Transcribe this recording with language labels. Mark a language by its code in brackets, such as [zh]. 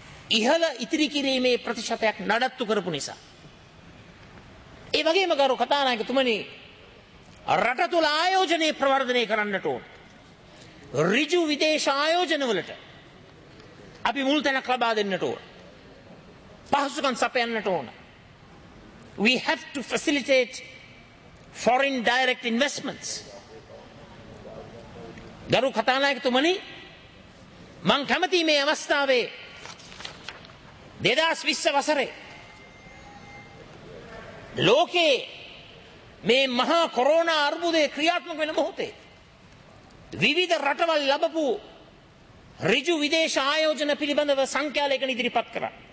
[si] ඉහළ ඉතිරි කිරීමේ ප්‍රතිශතයක් නඩත්තු කරපු නිසා. ඒ වගේම ගරු කථානායකතුමනි, රට තුළ ආයෝජනේ ප්‍රවර්ධනය කරන්නට ඕන. ඍජු විදේශ ආයෝජනවලට අපි මුල් තැනක් ලබා දෙන්නට ඕන. පහසුකම් සපයන්නට ඕන. [en] We have to facilitate foreign direct investments. [si] ගරු කථානායකතුමනි, මං කැමති මේ අවස්ථාවේ 2020 වසරේ ලෝකයේ මේ මහා කොරෝනා අර්බුදය ක්‍රියාත්මක වෙන මොහොතේ විවිධ රටවල් ලබපු ඍජු විදේශ ආයෝජන පිළිබඳව සංඛ්‍යාලේඛන ඉදිරිපත් කරා.